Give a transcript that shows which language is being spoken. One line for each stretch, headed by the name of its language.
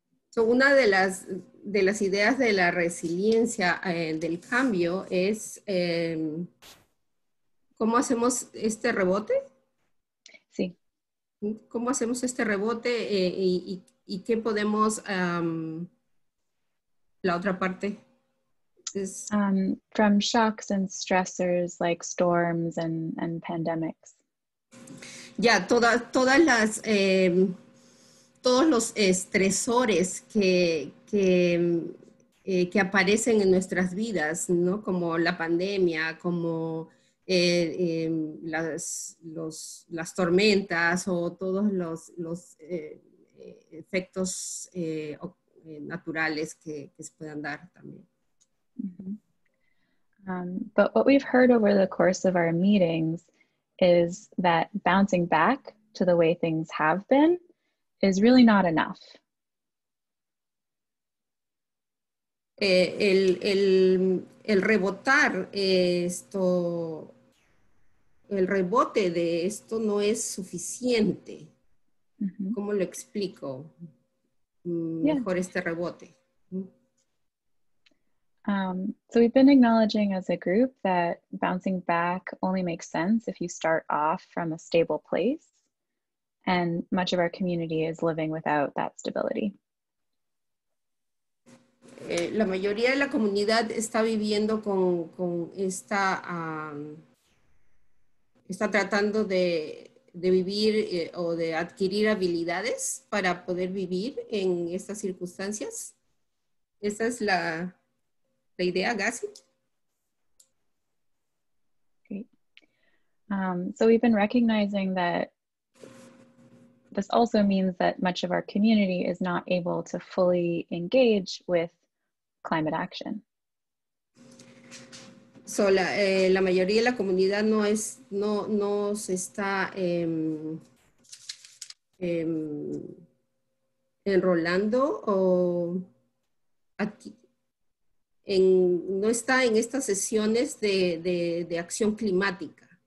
Spanish: So una de las ideas de la resiliencia del cambio es ¿cómo hacemos este rebote? Sí. ¿Cómo hacemos este rebote y qué podemos, la otra parte?
English: From shocks and stressors like storms and pandemics.
Spanish: Ya, yeah, todos los estresores que aparecen en nuestras vidas, ¿no? Como la pandemia, como las tormentas o todos los efectos naturales que se puedan dar también. Mm-hmm.
English: But what we've heard over the course of our meetings is that bouncing back to the way things have been is really not enough.
Spanish: El rebotar esto, el rebote de esto no es suficiente. Mm-hmm. ¿Cómo lo explico? Mejor este rebote.
English: So we've been acknowledging as a group that bouncing back only makes sense if you start off from a stable place. And much of our community is living without that stability.
Spanish: La mayoría de la comunidad está viviendo con esta, está tratando de vivir o de adquirir habilidades para poder vivir en estas circunstancias. Esa es la idea, Gassi.
English: So we've been recognizing that this also means that much of our community is not able to fully engage with climate action.
Spanish: So la mayoría de la comunidad no está en estas sesiones de acción climática.